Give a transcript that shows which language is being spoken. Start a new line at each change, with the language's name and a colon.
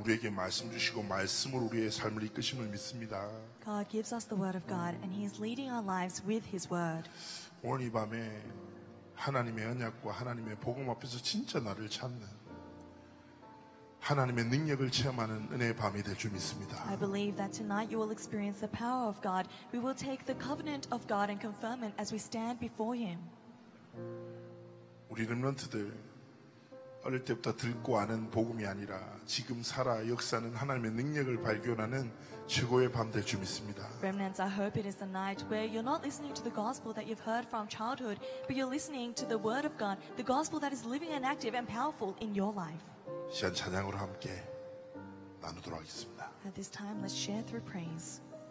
Korean: 말씀 주시고 말씀으로 우리의 삶을 이끄심을 믿습니다.
English: God gives us the word of God and he is leading our lives with his word.
Korean: 오늘 이 밤에 하나님의 언약과 하나님의 복음 앞에서 진짜 나를 찾는 하나님의 능력을 체험하는 은혜의 밤이 될 줄 믿습니다.
English: I believe that tonight you will experience the power of God. We will take the covenant of God and confirm it as we stand before him.
Korean: 우리 렘넌트들 어릴 때부터 듣고 아는 복음이 아니라 지금 살아 역사하는 하나님의 능력을 발견하는 최고의 밤 될 줄 믿습니다.
English: Remnants, I hope it is the night where you're not listening to the gospel that you've heard from childhood, but you're listening to the word of God, the gospel that is living and active and powerful in your life.
Korean: 시간 찬양으로 함께 나누도록 하겠습니다.
English: At this time, let's share through praise.